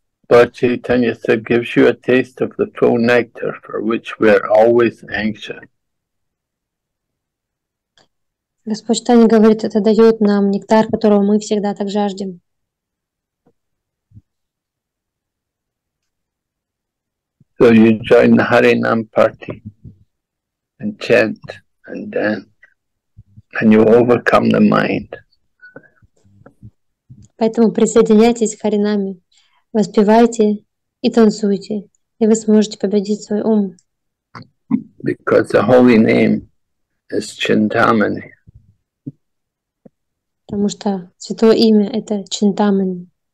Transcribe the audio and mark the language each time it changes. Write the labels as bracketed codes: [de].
[en] Lord Chaitanya said, gives you a taste of the full nectar for which we are always anxious. [ru] Господь Чайтанья говорит, это дает нам нектар, которого мы всегда так жаждем. [en] So you join the Harinam party and chant and dance, and you overcome the mind. [ru] Поэтому присоединяйтесь к харинаме, воспевайте и танцуйте, и вы сможете победить свой ум. [en] Because the holy name is Chintamani. [ru] Потому что святое имя это Чинтамани.